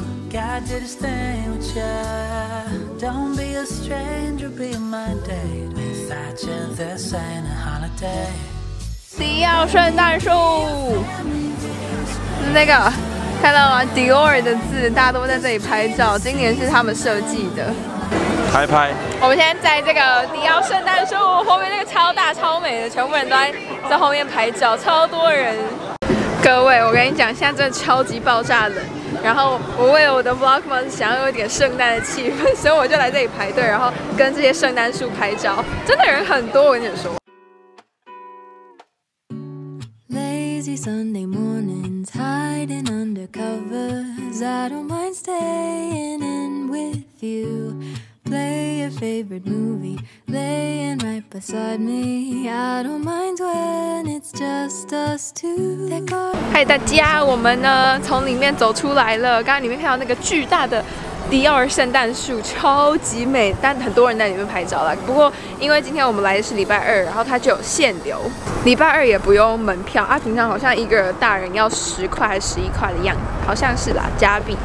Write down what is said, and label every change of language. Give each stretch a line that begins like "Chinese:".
English: God did his thing with ya. Don't be a stranger, be my date. Fetching this ain't a holiday.
Chinese: 迪奥圣诞树，那个看到吗？迪奥的字，大家都在这里拍照。今年是他们设计的。拍拍。我们现在在这个迪奥圣诞树后面，那个超大超美的，全部人都在后面拍照，超多人。各位，我跟你讲，现在真的超级爆炸冷。然后我为了我的 Vlogmas 想要有点圣诞的气氛，所以我就来这里排队，然后跟这些圣诞树拍照，真的人很多，我跟你说。
English: Lazy Sunday mornings hiding under covers. I don't mind staying in with you. Play your favorite movie, laying right beside me. I don't mind when it's just us two.
Chinese: Hi, 大家，我们呢从里面走出来了。刚刚里面看到那个巨大的迪奥圣诞树，超级美，但很多人在里面拍照了。不过因为今天我们来的是礼拜二，然后它就有限流，礼拜二也不用门票啊。平常好像一个大人要10块还11块的样子，好像是啦，加币。